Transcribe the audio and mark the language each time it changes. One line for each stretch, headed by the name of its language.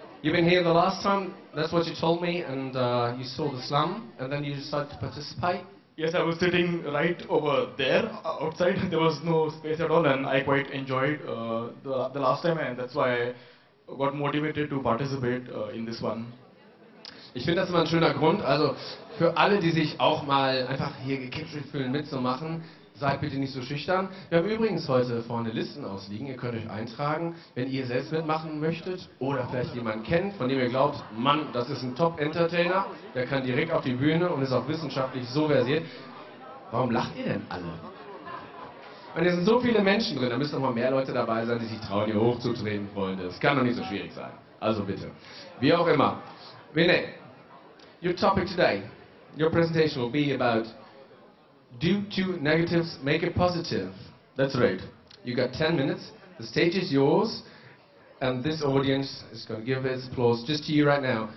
English: You've been here the last time, that's what you told me, and you saw the slum, and then you decided to participate? Yes, I was sitting right over there, outside. There was no space at all, and I quite enjoyed the last time, and that's why I got motivated to participate in this one.
German: Ich finde, das ist immer ein schöner Grund. Also für alle, die sich auch mal einfach hier gekitzelt fühlen, mitzumachen, seid bitte nicht so schüchtern. Wir haben übrigens heute vorne Listen ausliegen. Ihr könnt euch eintragen, wenn ihr selbst mitmachen möchtet oder vielleicht jemanden kennt, von dem ihr glaubt, Mann, das ist ein Top-Entertainer, der kann direkt auf die Bühne und ist auch wissenschaftlich so versiert. Warum lacht ihr denn alle? Und hier sind so viele Menschen drin, da müssen noch mal mehr Leute dabei sein, die sich trauen, hier hochzutreten, Freunde. Es kann doch nicht so schwierig sein. Also bitte. Wie auch immer.
English: Vinay, your topic today, your presentation will be about do two negatives make it positive? That's right. You got 10 minutes, the stage is yours, and this audience is going to give its applause just to you right now.